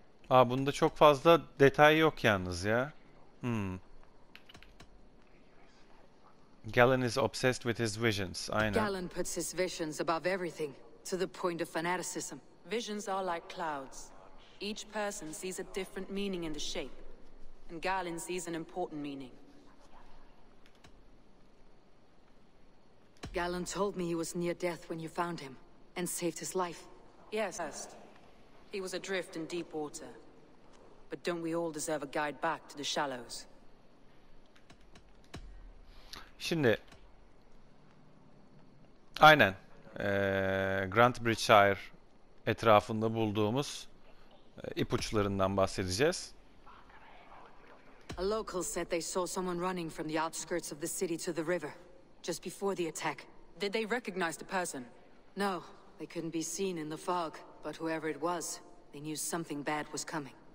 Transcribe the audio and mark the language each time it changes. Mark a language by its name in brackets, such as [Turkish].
[Turkish] Aa, bunda çok fazla detay yok yalnız ya. Hmm. [English] Galen is obsessed with his visions. [Turkish] Aynen. [English] Galen puts his visions above everything, to the point of fanaticism. Visions are like clouds. Each person sees a different meaning in the shape, and Galen sees an important meaning. Galen told me he was near death when you found him and saved his life. Yes, he was adrift in deep water. But don't we all deserve a guide back to the shallows? [Turkish] Şimdi Aynen. Grant Bridgeshire etrafında bulduğumuz ipuçlarından bahsedeceğiz. [English] A local said they saw someone running from the outskirts of the city to the river just before the attack. Did they recognize the person? No, they couldn't be seen in the fog, but whoever it was, they knew something bad was coming.